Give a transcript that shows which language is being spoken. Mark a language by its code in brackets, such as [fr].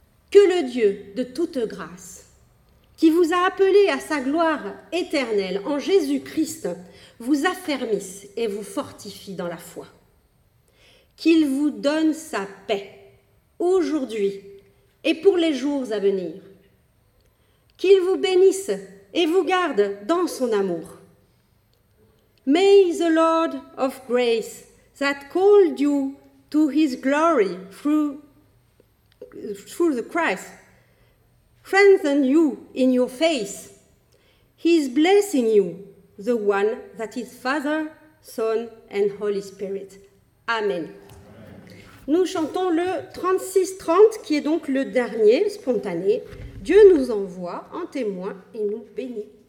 [fr] Que le Dieu de toute grâce, qui vous a appelé à sa gloire éternelle en Jésus-Christ, vous affermisse et vous fortifie dans la foi. Qu'il vous donne sa paix, aujourd'hui et pour les jours à venir. Qu'il vous bénisse et vous garde dans son amour. [en] May the Lord of grace that called you to his glory through the Christ strengthen you in your faith. He is blessing you, the one that is Father, Son, and Holy Spirit. Amen. [fr] Nous chantons le 36-30, qui est donc le dernier spontané. Dieu nous envoie en témoin et nous bénit.